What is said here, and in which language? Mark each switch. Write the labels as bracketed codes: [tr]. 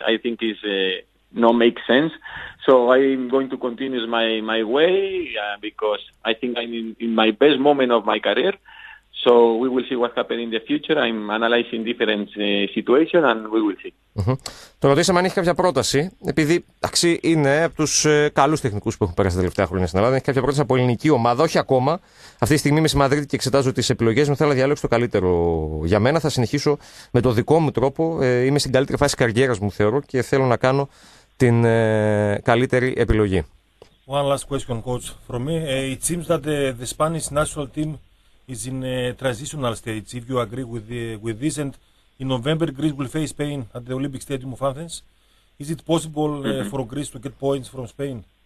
[en] I think it's no makes sense. So I'm going to continue my way because I think I'm in my best moment of my career. So we will see what happens in the future. I'm analyzing different situations and we will see. [el] Το ρωτήσαμε αν έχει κάποια πρόταση, επειδή εντάξει, είναι από τους καλούς τεχνικούς που έχουν πέρασει τα τελευταία χρόνια στην Ελλάδα. Έχει κάποια πρόταση από ελληνική ομάδα, όχι ακόμα. Αυτή τη στιγμή είμαι στη Μαδρίτη και εξετάζω τις επιλογές μου. Θέλω να διαλέξω το καλύτερο για μένα. Θα συνεχίσω με το δικό μου τρόπο. Είμαι στην καλύτερη φάση καριέρας μου, θεωρώ, και θέλω να κάνω την καλύτερη επιλογή. [en] One last question, coach, from me. It seems that the Spanish national team is in a transitional stage, if you agree with this. And in November, Greece will face Spain at the Olympic Stadium of Athens. Is it possible for Greece to get points from Spain?